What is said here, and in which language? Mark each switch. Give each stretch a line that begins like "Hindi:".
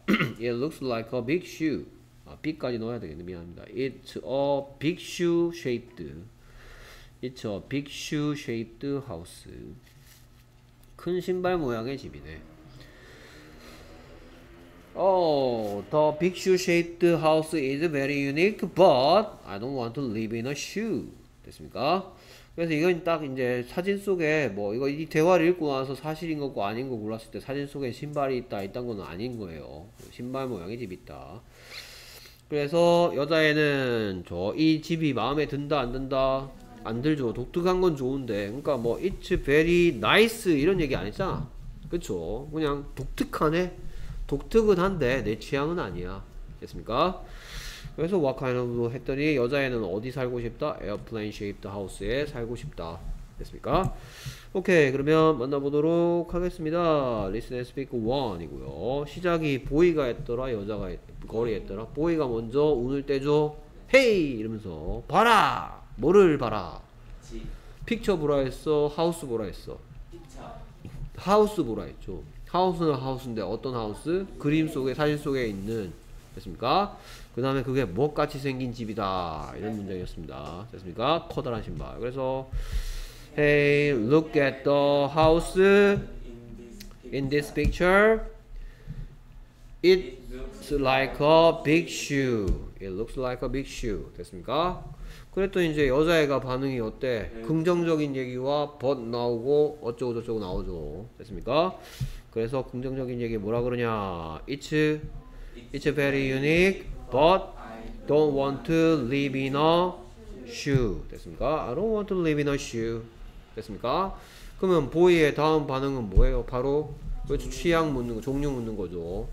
English: It looks like a big shoe.
Korean: 아, big까지 넣어야 되겠네. 미안합니다.
English: It's a big shoe shaped. It's a big shoe shaped house.
Korean: 큰 신발 모양의 집이네. Oh,
English: The big shoe shaped house is very unique, but I don't want to live in a shoe.
Korean: 됐습니까? 그래서 이건 딱 이제 사진 속에 뭐 이거 이 대화를 읽고 나서 사실인 거고 아닌 거 골랐을 때 사진 속에 신발이 있다 이딴 건 아닌 거예요. 신발 모양의 집이 있다. 그래서 여자애는 저 이 집이 마음에 든다 안 든다? 안 들죠. 독특한 건 좋은데. 그러니까 뭐
English: it's very nice
Korean: 이런 얘기 안 했잖아. 그쵸? 그냥 독특하네. 독특은 한데 내 취향은 아니야. 됐습니까? 그래서 what kind of 했더니 여자애는 어디 살고 싶다? airplane shaped house에 살고 싶다. 됐습니까? 오케이, 그러면 만나보도록 하겠습니다. listen and speak 1이고요. 시작이 보이가 했더라, 여자가 거리 했더라. 보이가 먼저 운을 떼줘. 헤이! 이러면서 봐라! 뭐를 봐라? 픽처 보라 했어? 하우스 보라 했어? 픽처 하우스 보라 했죠. 하우스는 하우스인데 어떤 하우스? 네. 그림 속에, 사진 속에 있는, 됐습니까? 그 다음에 그게 무엇같이 생긴 집이다 이런 문장이었습니다. 됐습니까? 커다란 신발.
English: 그래서 Hey, look at the house in this picture. It's like a big shoe. It looks like a big shoe.
Korean: 됐습니까? 그랬더니 이제 여자애가 반응이 어때? 긍정적인 얘기와 but 나오고 어쩌고 저쩌고 나오죠. 됐습니까? 그래서 긍정적인 얘기 뭐라 그러냐?
English: It's very unique, but I don't want to live in a shoe.
Korean: 됐습니까?
English: I don't want to live in a shoe.
Korean: 됐습니까? 그러면 보이의 다음 반응은 뭐예요? 바로 그렇죠. 취향 묻는 거, 종류 묻는 거죠.